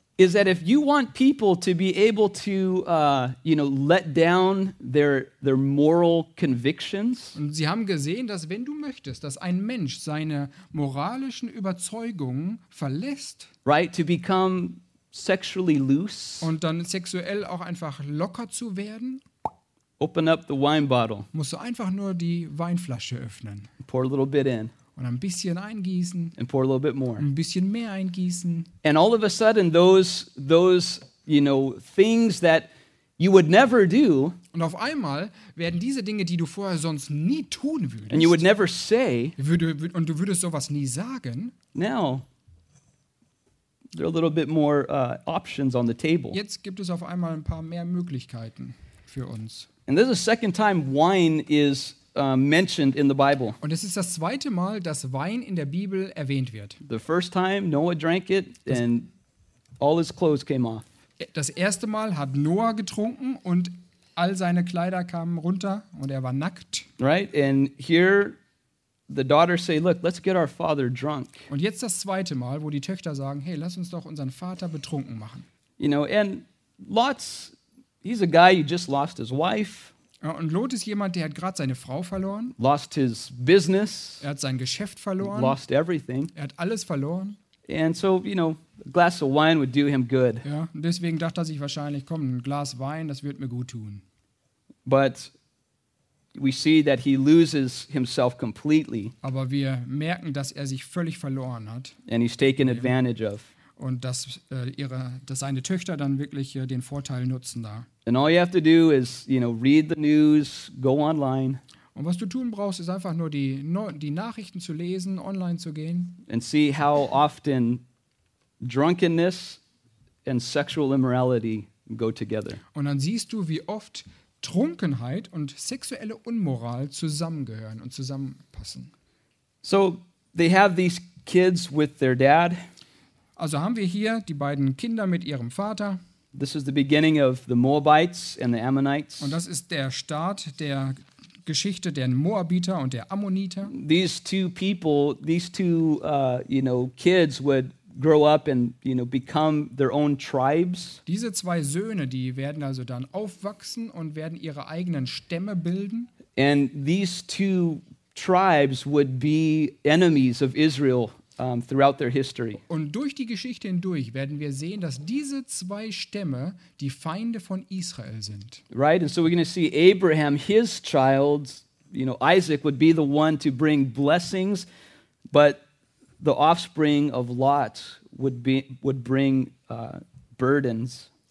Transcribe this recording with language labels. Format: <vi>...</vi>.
<en>Is that if you want people to be able to, you know, let down their moral convictions?</en> <de>Und sie haben gesehen, dass wenn du möchtest, dass ein Mensch seine moralischen Überzeugungen verlässt,</de> <en>right, to become sexually loose,</en> <de>und dann sexuell auch einfach locker zu werden,</de> <en>open up the wine bottle,</en> <de>musst du einfach nur die Weinflasche öffnen,</de> <en>pour a little bit in.</en> <de>Und ein bisschen eingießen.</de> <en>And pour a little bit more.</en> <de>Ein bisschen mehr eingießen.</de> <en>And all of a sudden, those, you know, things that you would never do.</en> <de>Und auf einmal werden diese Dinge, die du vorher sonst nie tun würdest.</de> <en>And you would never say.</en> <de>Und du würdest sowas nie sagen.</de> <en>Now there are a little bit more options on the table.</en> <de>Jetzt gibt es auf einmal ein paar mehr Möglichkeiten für uns.</de> <en>And this is the second time wine is mentioned in the Bible.</en> <de>Und es ist das zweite Mal, dass Wein in der Bibel erwähnt wird.</de> <en>The first time Noah drank it and all his clothes came off.</en> <de>Das erste Mal hat Noah getrunken und all seine Kleider kamen runter und er war nackt.</de> <en>Right, and here the daughters say, look, let's get our father drunk.</en> <de>Und jetzt das zweite Mal, wo die Töchter sagen, hey, lass uns doch unseren Vater betrunken machen.</de> <en>You know, and Lot's, he's a guy who just lost his wife.</en> <de>Und Lot ist jemand, der hat gerade seine Frau verloren.</de> <en>Lost his business.</en> <de>Er hat sein Geschäft verloren.</de> <en>Lost everything.</en> <de>Er hat alles verloren.</de> <en>And so, you know, a glass of wine would do him good.</en> <de>Ja, und deswegen dachte er sich wahrscheinlich, komm, ein Glas Wein, das wird mir gut tun.</de> <en>But we see that he loses himself completely.</en> <de>Aber wir merken, dass er sich völlig verloren hat.</de> <en>And he's taken advantage of.</en> <de>Und dass seine Töchter dann wirklich den Vorteil nutzen da.</de> <en>And all you have to do is, you know, read the news, go online.</en> <de>Und was du tun brauchst, ist einfach nur die Nachrichten zu lesen, online zu gehen.</de> <en>And see how often drunkenness and sexual immorality go together.</en> <de>Und dann siehst du, wie oft Trunkenheit und sexuelle Unmoral zusammengehören und zusammenpassen.</de> <en>So they have these kids with their dad.</en> <de>Also haben wir hier die beiden Kinder mit ihrem Vater.</de> <en>This is the beginning of the Moabites and the Ammonites.</en> <de>Und das ist der Start der Geschichte der Moabiter und der Ammoniter.</de> <en>These two people, these two, you know, kids would grow up and, you know, become their own tribes.</en> <de>Diese zwei Söhne, die werden also dann aufwachsen und werden ihre eigenen Stämme bilden.</de> <en>And these two tribes would be enemies of Israel throughout their history.</en> <de>Und durch die Geschichte hindurch werden wir sehen, dass diese zwei Stämme die Feinde von Israel sind.</de> <en>Right, and so we're going to see Abraham, his child, you know, Isaac would be the one to bring blessings, but the offspring of Lot would bring burdens.</en>